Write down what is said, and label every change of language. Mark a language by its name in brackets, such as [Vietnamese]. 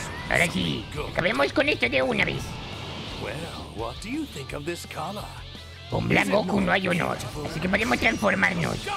[Spanish] Ahora sí, acabemos con esto de una vez. [English] Well, what do you think of this color? [Spanish] Con Black Goku no hay honor, así que podemos transformarnos.